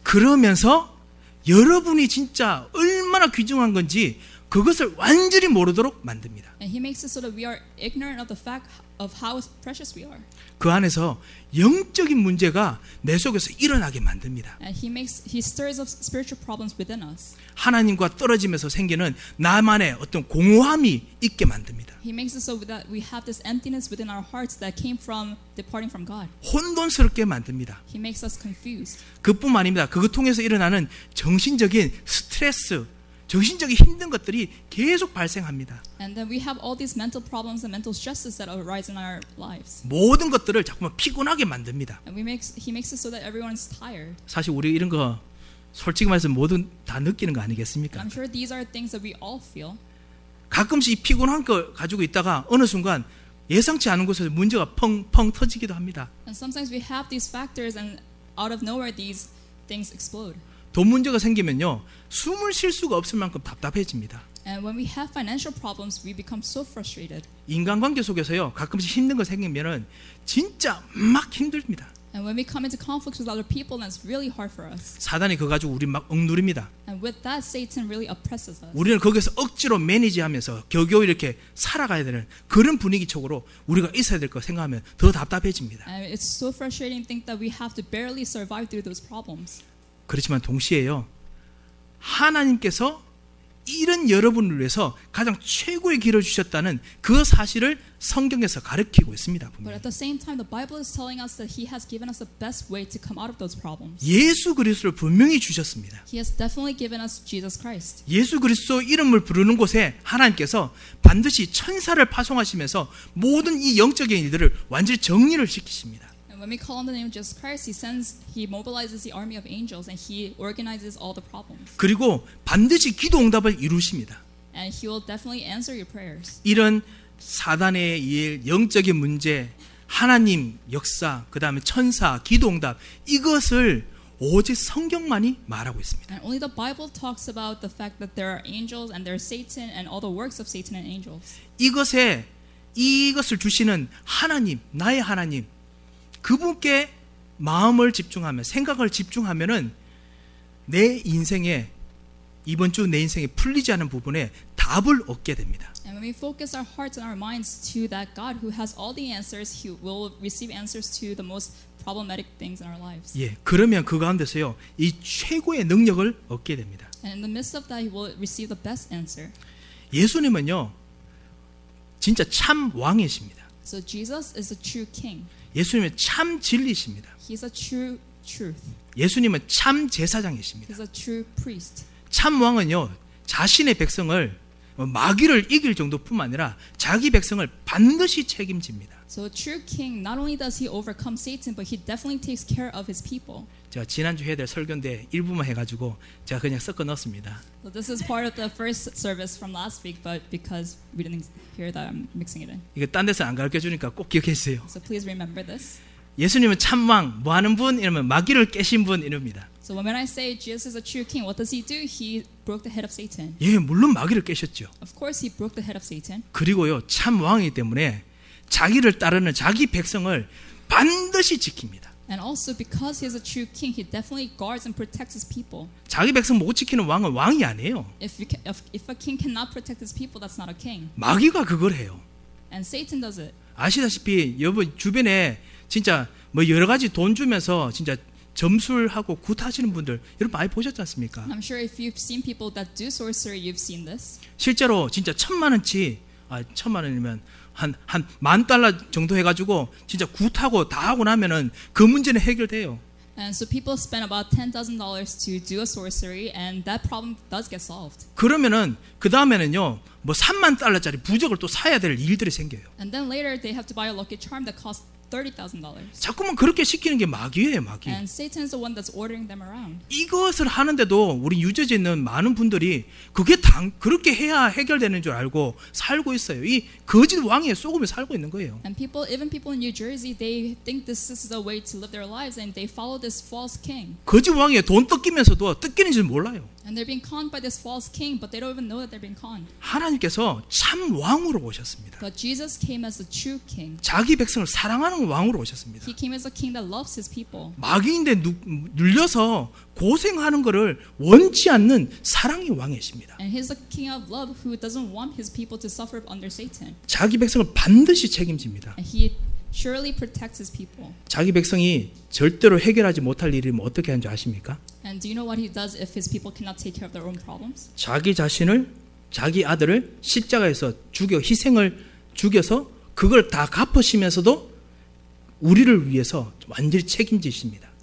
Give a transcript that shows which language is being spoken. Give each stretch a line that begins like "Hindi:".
Korean: 그러면서 여러분이 진짜 얼마나 귀중한 건지 그것을 완전히 모르도록 만듭니다.
English: And he makes us so that we are ignorant of the fact of how precious we are.
Korean: 그 안에서 영적인 문제가 내 속에서 일어나게 만듭니다.
English: And he stirs up spiritual problems within us.
Korean: 하나님과 떨어지면서 생기는 나만의 어떤 공허함이 있게 만듭니다.
English: He makes it so that we have this emptiness within our hearts that came from departing from God.
Korean: 혼돈스럽게 만듭니다.
English: He makes us confused.
Korean: 그뿐 아닙니다. 그것 통해서 일어나는 정신적인 스트레스 정신적인 힘든 것들이 계속 발생합니다.
English: And then we have all these mental problems and mental stresses that arise in our lives.
Korean: 모든 것들을 자꾸만 피곤하게 만듭니다.
English: And he makes it so that everyone's tired.
Korean: 사실 우리 이런 거 솔직히 말해서 모든 다 느끼는 거 아니겠습니까?
English: I'm sure these are things that we all feel.
Korean: 가끔씩 피곤한 거 가지고 있다가 어느 순간 예상치 않은 곳에서 문제가 펑펑 터지기도 합니다.
English: And sometimes we have these factors and out of nowhere these things explode.
Korean: 돈 문제가 생기면요. 숨을 쉴 수가 없을 만큼 답답해집니다.
English: And when we have financial problems, we become so frustrated.
Korean: 인간관계 속에서요. 가끔씩 힘든 거 생기면은 진짜 막 힘듭니다.
English: And when we come into conflicts with other people, that's really hard for us.
Korean: 사단이 그거 가지고 우리 막 억누릅니다.
English: And with that, Satan really oppresses us.
Korean: 우리는 거기서 억지로 매니지하면서 겨우 이렇게 살아가야 되는 그런 분위기 쪽으로 우리가 있어야 될 거 생각하면 더 답답해집니다.
English: And it's so frustrating to think that we have to barely survive through those problems.
Korean: 그렇지만 동시에요. 하나님께서 이런 여러분을 위해서 가장 최고의 길을 주셨다는 그 사실을 성경에서 가르치고 있습니다. 분명히.
English: But at the same time, the Bible is telling us that He has given us the best way to come out of those problems.
Korean: 예수 그리스도를 분명히 주셨습니다.
English: He has definitely given us Jesus Christ.
Korean: 예수 그리스도 이름을 부르는 곳에 하나님께서 반드시 천사를 파송하시면서 모든 이 영적인 일들을 완전히 정리를 시키십니다.
English: When we call on the name of Jesus Christ, he mobilizes the army of angels and he organizes all the problems.
Korean: 그리고 반드시 기도 응답을 이루십니다.
English: And he will definitely answer your prayers.
Korean: 이런 사단의 일, 영적인 문제, 하나님 역사, 그 다음에 천사, 기도응답, 이것을 오직 성경만이 말하고 있습니다.
English: And only the Bible talks about the fact that there are angels and there's Satan and all the works of Satan and angels.
Korean: 이것에 이것을 주시는 하나님, 나의 하나님, 그분께 마음을 집중하면, 생각을 집중하면은 내 인생에 이번 주 내 인생에 풀리지 않은 부분에 답을 얻게 됩니다.
English: And when we focus our hearts and our minds to that God who has all the answers, He will receive answers to the most problematic things in our lives.
Korean: 예, 그러면 그 가운데서요 이 최고의 능력을 얻게 됩니다.
English: And in the midst of that, He will receive the best answer.
Korean: 예수님은요 진짜 참 왕이십니다.
English: So Jesus is a true king.
Korean: 예수님은 참 진리십니다.
English: He is a true truth.
Korean: 예수님은 참 제사장이십니다.
English: He is a true priest.
Korean: 참 왕은요 자신의 백성을 마귀를 이길 정도뿐만 아니라 자기 백성을 반드시 책임집니다.
English: So a true king not only does he overcome Satan, but he definitely takes care of his people.
Korean: 제가 지난주 해야 될 설교인데 일부만 해가지고 제가 그냥 섞어 넣었습니다.
English: So this is part of the first service from last week, but because we didn't hear that, I'm mixing it in.
Korean: 이거 딴 데서 안 가르쳐 주니까 꼭 기억해 주세요.
English: So please remember this.
Korean: 예수님은 참 왕, 뭐 하는 분? 이러면 마귀를 깨신 분 이릅니다.
English: So when I say Jesus is a true king, what does he do? He broke the head of Satan.
Korean: 예, 물론 마귀를 깨셨죠.
English: Of course he broke the head of Satan.
Korean: 그리고요, 참 왕이기 때문에 자기를 따르는 자기 백성을 반드시 지킵니다.
English: And also because he is a true king, he definitely guards and protects his people.
Korean: 자기 백성 못 지키는 왕은 왕이 아니에요.
English: If a king cannot protect his people, that's not a king.
Korean: 마귀가 그걸 해요.
English: And Satan does it.
Korean: 아시다시피 여러분 주변에 진짜 뭐 여러 가지 돈 주면서 진짜 점술하고 굿하시는 분들 여러분 많이 보셨지 않습니까?
English: I'm sure if you've seen people that do sorcery, you've seen this.
Korean: 실제로 진짜 천만 원치, 아 천만 원이면 한 만 달러 정도 해가지고 진짜 굿하고 다 하고 나면은 그 문제는 해결돼요.
English: And so people spend about $10,000 to do a sorcery, and that problem does get solved.
Korean: 그러면은 그 다음에는요, 뭐 3만 달러짜리 부적을 또 사야 될 일들이 생겨요.
English: And then later they have to buy a lucky charm that costs $30,000.
Korean: 자꾸만 그렇게 시키는 게 마귀예요, 마귀.
English: And Satan is the one that's ordering them around.
Korean: 이것을 하는데도 우리 유저지 있는 많은 분들이 그게 당 그렇게 해야 해결되는 줄 알고 살고 있어요. 이 거짓 왕의 속임을 살고 있는 거예요.
English: And people, even people in New Jersey, they think this is a way to live their lives, and they follow this false king.
Korean: 거짓 왕의 돈 뜯기면서도 뜯기는 줄 몰라요.
English: And they're being conned by this false king, but they don't even know that they're being conned.
Korean: 하나님께서 참 왕으로 오셨습니다.
English: But Jesus came as a true king.
Korean: 자기 백성을 사랑하는 왕으로 오셨습니다.
English: He came as a king that loves his people.
Korean: 마귀인데 눌려서 고생하는 것을 원치 않는 사랑의 왕이십니다.
English: And he's a king of love who doesn't want his people to suffer under Satan.
Korean: 자기 백성을 반드시 책임집니다.
English: And he surely protects his people.
Korean: 자기 백성이 절대로 해결하지 못할 일이면 어떻게 하는지 아십니까?
English: And do you know what he does if his people cannot take care of their own problems?
Korean: 자기 자신을, 자기 아들을 십자가에서 죽여 희생을 죽여서 그걸 다 갚으시면서도 우리를 위해서 완전히 책임지십니다.